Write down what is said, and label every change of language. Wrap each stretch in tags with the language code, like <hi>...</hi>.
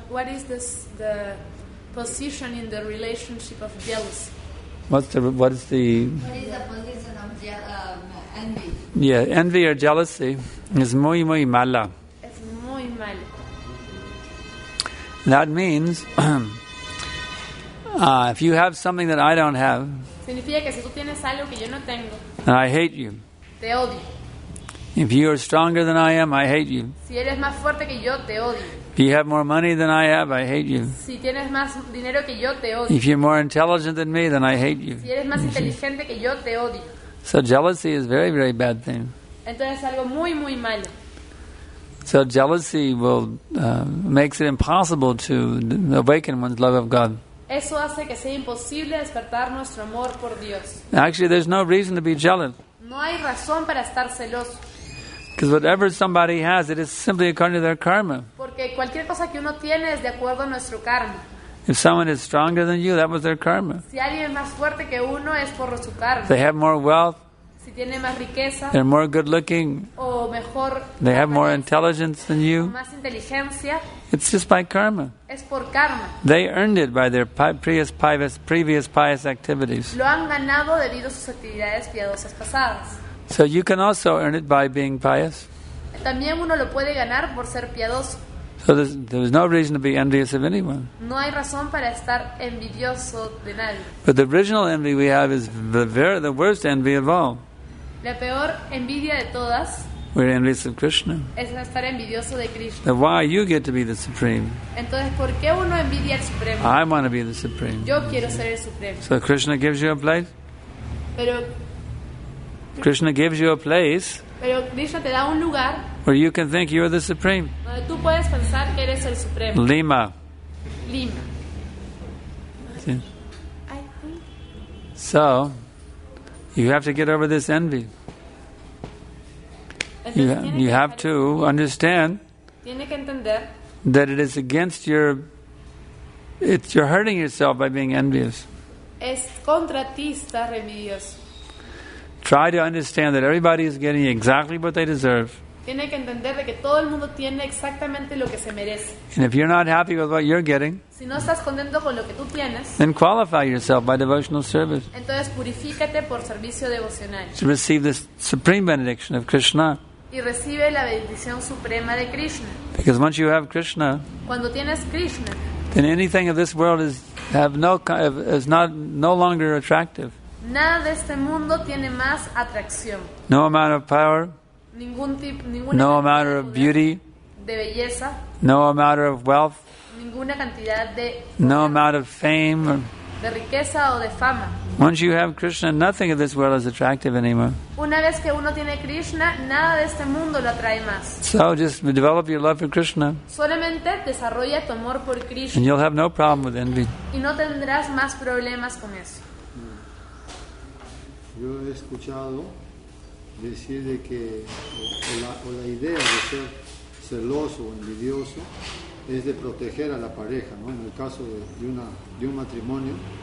<en>What is this, the position in the relationship of jealousy? What is the position of envy? Yeah, envy or jealousy is</en> <es>muy muy mala. Es muy mal.</es> <en>That means if you have something that I don't have,</en> <es>significa que si tú tienes algo que yo no tengo,</es> <en>and I hate you.</en> <es>Te odio.</es> <en>If you are stronger than I am, I hate you.</en> <es>Si eres más fuerte que yo, te odio.</es> <en>If you have more money than I have, I hate you.</en> <es>Si tienes más dinero que yo, te odio.</es> <en>If you're more intelligent than me, then I hate you.</en> <es>Si eres más inteligente que yo, te odio.</es> <en>So jealousy is a very, very bad thing.</en> <es>Entonces, algo muy, muy malo.</es> <en>So jealousy will makes it impossible to awaken one's love of God.</en> <es>Eso hace que sea imposible despertar nuestro amor por Dios.</es> <en>Actually, there's no reason to be jealous.</en> <es>No hay razón para estar celoso.</es> <en>Because whatever somebody has, it is simply according to their karma.</en> <es>Porque cualquier cosa que uno tiene es de acuerdo a nuestro karma.</es> <en>If someone is stronger than you, that was their karma.</en> <es>Si alguien es más fuerte que uno, es por su karma.</es> <en>They have more wealth.</en> <es>Si tiene más riqueza.</es> <en>They're more good looking.</en> <es>O mejor.</es> <en>They have more intelligence than you.</en> <es>Más inteligencia.</es> <en>It's just by karma.</en> <es>Es por karma.</es> <en>They earned it by their previous pious activities.</en> <es>Lo han ganado debido a sus actividades piadosas pasadas.</es> <en>So you can also earn it by being pious.</en> <es>También uno lo puede ganar por ser piadoso.</es> <en>So there's no reason to be envious of anyone.</en> <es>No hay razón para estar envidioso de nadie.</es> <en>But the original envy we have is the worst envy of all.</en> <es>La peor envidia de todas.</es> <en>We're envious of Krishna.</en> <es>Es estar envidioso de Krishna.</es> <en>Then why you get to be the supreme?</en> <es>Entonces, ¿por qué uno envidia al supremo?</es> <en>I want to be the supreme.</en> <es>Yo quiero ser el supremo.</es> <en>So Krishna gives you a place.</en> <es>Pero</es> <en>Krishna gives you a place.</en> <es>Pero Krishna te da un lugar.</es> <en>Where you can think you're the supreme.</en> <es>Donde tú puedes pensar que eres el supremo. Lima. Lima. Sí.</es> <en>I think. So, you have to get over this envy. You have to understand.</en> <es>Tiene que entender.</es> <en>That it is against your. It's you're hurting yourself by being envious.</en> <es>Es contra ti estar envidioso.</es> <en>Try to understand that everybody is getting exactly what they deserve.</en> <es>Tiene que entender de que todo el mundo tiene exactamente lo que se merece.</es> <en>And if you're not happy with what you're getting,</en> <es>si no estás contento con lo que tú tienes,</es> <en>then qualify yourself by devotional service.</en> <es>Entonces purifícate por servicio devocional.</es> <en>To receive the supreme benediction of Krishna.</en> <es>Y recibe la bendición suprema de Krishna.</es> <en>Because once you have Krishna,</en> <es>cuando tienes Krishna,</es> <en>then anything of this world is no longer attractive.</en> <es>Nada de este mundo tiene más atracción.</es> <en>No amount of power.</en> <es>Ningún tipo,</es> <en>no amount of beauty.</en> <es>De belleza.</es> <en>No amount of wealth.</en> <es>Ninguna cantidad de.</es> <en>No amount of fame.</en> <es>De riqueza o de fama.</es> <en>Once you have Krishna, nothing of this world is attractive anymore.</en> <es>Una vez que uno tiene Krishna, nada de este mundo lo atrae más.</es> <en>So just develop your love for Krishna.</en> <es>Solamente desarrolla tu amor por Krishna.</es> <en>And you'll have no problem with envy.</en> <es>Y no tendrás más problemas con eso. Yo he escuchado decir de que o la idea de ser celoso o envidioso es de proteger a la pareja, ¿no? En el caso de un matrimonio,</es>